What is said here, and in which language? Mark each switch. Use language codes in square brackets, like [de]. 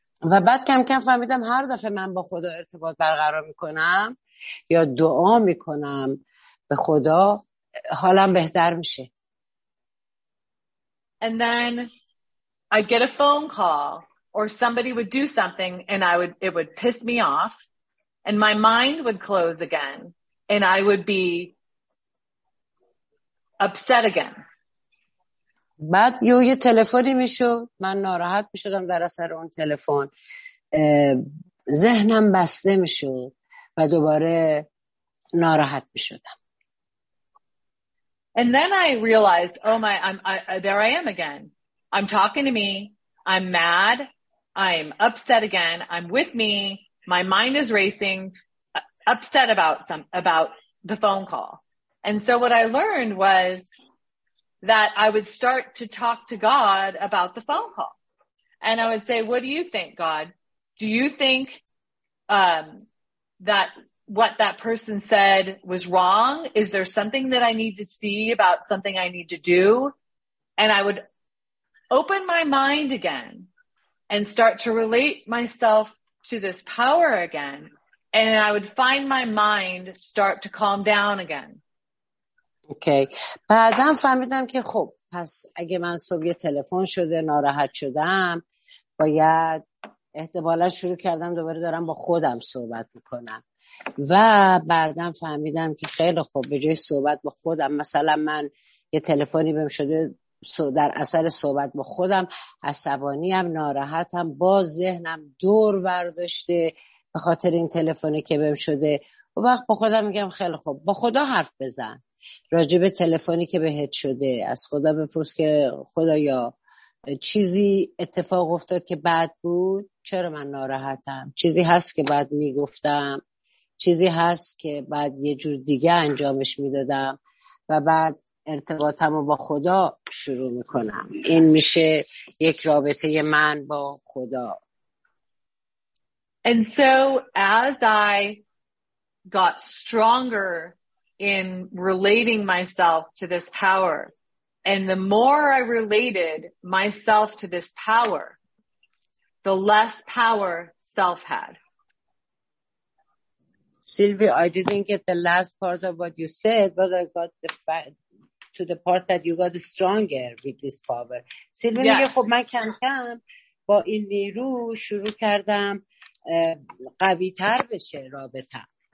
[fa] و بعد کم کم فهمیدم هر دفعه من با خدا ارتباط برقرار میکنم یا دعا میکنم به خدا حالم بهتر میشه. [en] And then I'd get a phone call or somebody would do something and it would piss me off and my mind would close again and I would be upset again. [fa] بعد یه تلفنی میشد، من ناراحت میشدم در اثر اون تلفن، ذهنم بسته میشد و دوباره ناراحت میشدم. [en] And then I realized, oh my, I'm there I am again. I'm talking to me. I'm mad. I'm upset again. I'm with me. My mind is racing, upset about the phone call. And so what I learned was that I would start to talk to God about the phone call. And I would say, what do you think, God? Do you think that what that person said was wrong? Is there something that I need to see about something I need to do? And I would open my mind again and start to relate myself to this power again, and I would find my mind start to calm down again. [fa] اوکی بعدم فهمیدم که خب پس اگه من صبح یه تلفن شده ناراحت شدم باید احتمالا شروع کردم دوباره دارم با خودم صحبت میکنم و بعدم فهمیدم که خیلی خب به جای صحبت با خودم مثلا من یه تلفنی بهم شده در اثر صحبت با خودم عصبانیم ناراحتم با ذهنم دور برداشته به خاطر این تلفنی که بهم شده و وقت با خودم میگم خیلی خب با خدا حرف بزن راجب تلفنی که بهت شده از خدا بپرس که خدایا چیزی اتفاق افتاد که بد بود چرا من ناراحتم چیزی هست که بعد میگفتم چیزی هست که بعد یه جور دیگه انجامش میدادم و بعد ارتباطم رو با خدا شروع میکنم این میشه یک رابطه من با خدا. [en] And so as I got stronger in relating myself to this power, and the more I related myself to this power, the less power self had. Sylvie, I didn't get the last part of what you said, but I got the fact to the part that you got stronger with this power. Sylvie, yes. [fa] میگه خب من کم کم با این نیرو شروع کردم قوی تر بشه رابطه.